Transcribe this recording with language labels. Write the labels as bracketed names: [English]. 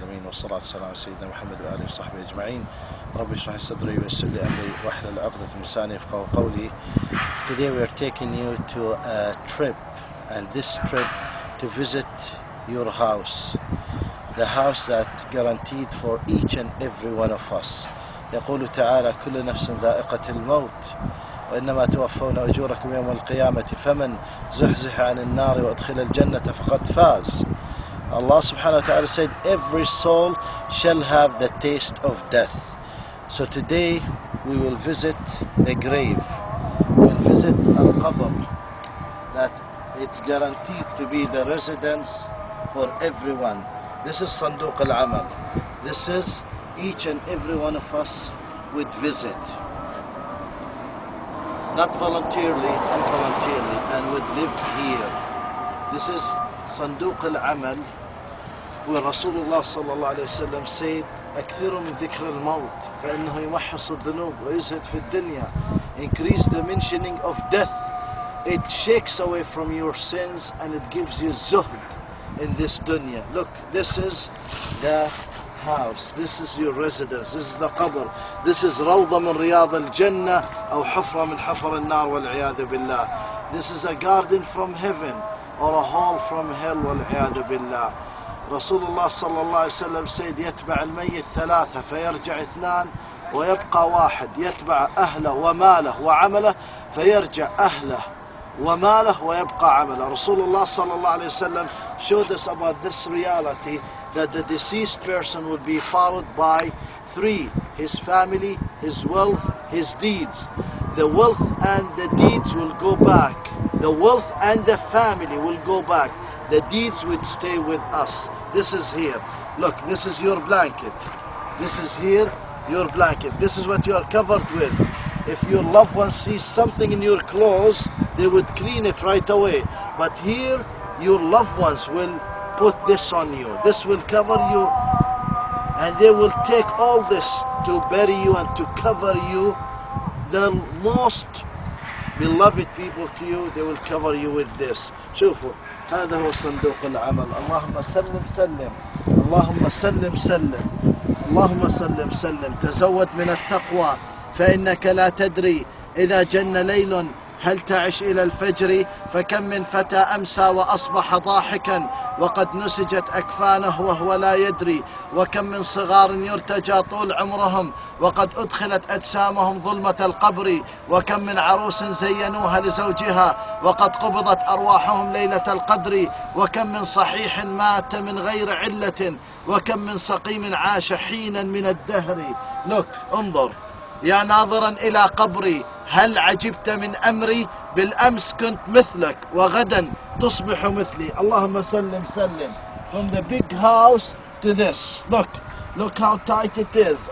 [Arabic] والصلاة والسلام على سيدنا محمد وآله وصحبه أجمعين. رب اشرح صدري ويسر لي أمري واحلل عقدة من لساني يفقهوا قولي. [English] Today we are taking you to a trip, and this trip to visit your house, the house that guaranteed for each and every one of us. [Arabic] يقول تعالى كل نفس ذائقة الموت وإنما توفون أجوركم يوم القيامة فمن زحزح عن النار وأدخل الجنة فقد فاز. [English] Allah subhanahu wa ta'ala said, every soul shall have the taste of death. So today we will visit a grave. We'll visit al-qabr, that it's guaranteed to be the residence for everyone. This is sanduq al-amal. This is each and every one of us would visit. Not voluntarily, involuntarily, and would live here. This is sanduq al-amal. [Arabic] Where Rasulullah sallallahu alayhi wa sallam said, أكثر من ذكر الموت فإنه يمحص الذنوب ويزهد في الدنيا. [English] Increase the mentioning of death, it shakes away from your sins and it gives you zuhd in this dunya. Look, this is the house, this is your residence, this is the qabr, this is [Arabic] rawda min riyad al-jannah أو حفرة من حفر النار والعياذ بالله. [English] This is a garden from heaven or a hall from hell [Arabic] والعياذ بالله. Rasulullah sallallahu alayhi wa sallam said, يَتْبَعَ الْمَيِّتْ ثَلَاثَ فَيَرْجَعْ اثْنَانَ وَيَبْقَى وَاحِدْ يَتْبَعَ أَهْلَهُ وَمَالَهُ وَعَمَلَهُ فَيَرْجَعْ أَهْلَهُ وَمَالَهُ وَيَبْقَى عَمَلَهُ. [English] Rasulullah sallallahu alayhi wa sallam showed us about this reality, that the deceased person would be followed by three: his family, his wealth, his deeds. The wealth and the deeds will go back. The wealth and the family will go back. The deeds would stay with us. This is here. Look, this is your blanket. This is here, your blanket. This is what you are covered with. If your loved one sees something in your clothes, they would clean it right away. But here, your loved ones will put this on you. This will cover you. And they will take all this to bury you and to cover you. The most beloved people to you, they will cover you with this. [Arabic] شوفوا. هذا هو صندوق العمل. اللهم سلم سلم، اللهم سلم سلم، اللهم سلم سلم. تزود من التقوى فإنك لا تدري إذا جن ليل هل تعش إلى الفجر. فكم من فتى أمسى وأصبح ضاحكا وقد نسجت أكفانه وهو لا يدري. وكم من صغار يرتجى طول عمرهم وقد أدخلت أجسامهم ظلمة القبر. وكم من عروس زينوها لزوجها وقد قبضت أرواحهم ليلة القدر. وكم من صحيح مات من غير علة. وكم من سقيم عاش حينا من الدهر. لك انظر يا ناظرا إلى قبري، هل عجبت من أمري؟ بالأمس كنت مثلك وغدا تصبح مثلي. اللهم سلم سلم. [English] From the big house to this. Look, look how tight it is.